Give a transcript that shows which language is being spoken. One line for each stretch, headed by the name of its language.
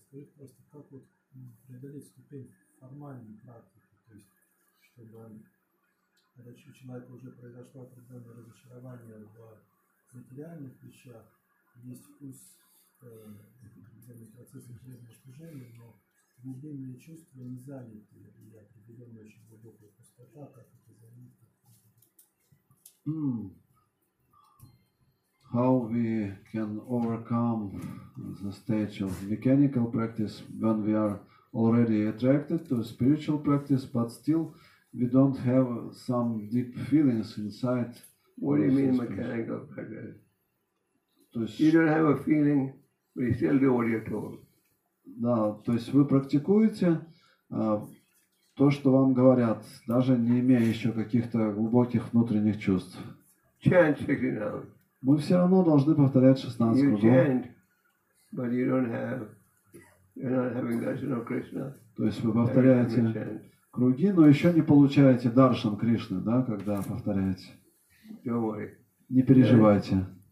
Russian: Скажите просто, как вот преодолеть ступень формальной практики, то есть, чтобы когда у человека уже произошло определенное разочарование в материальных вещах, есть вкус определенных процессов жизненного служения, но глубинные чувства не заняты, и определенная очень глубокая пустота, как это заметно.
English: How we can overcome the stage of mechanical practice when we are already attracted to spiritual practice, but still we don't have some deep feelings inside. What do you mean mechanical practice? You don't have a feeling, but you still do what you're told.
Russian: Да, то есть вы практикуете то, что вам говорят, даже не имея еще каких-то глубоких внутренних чувств.
English: Chant 69.
Russian: Мы все равно должны повторять 16 кругов. То есть вы повторяете круги, но еще не получаете даршан Кришны, да, когда повторяете. Не переживайте.